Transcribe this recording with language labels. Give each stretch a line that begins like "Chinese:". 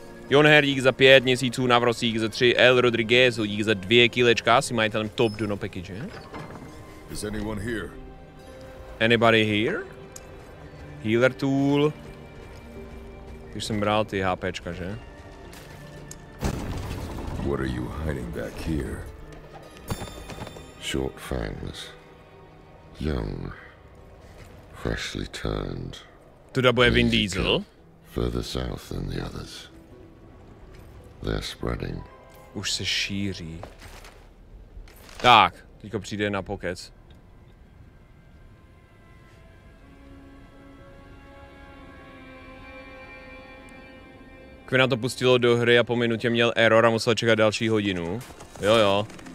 Czech: Jonher, dík za 5 měsíců, Navrosík za 3, El Rodriguez, dík za 2 kilečka, si majitelem top dono package.
English: Is anyone here? Anybody here? Healer tool.
Czech: Když jsem bral ty HPčka, že?
English: What are you hiding back here? Short fangs, young, freshly turned.
Czech: To dabuje Vin Diesel.
English: Further south than the others. They're spreading.
Czech: Už se šíří. Tak, teďko přijde na pokec. Kvina to pustilo do hry a po minutě měl error a musel čekat další hodinu. Jo jo.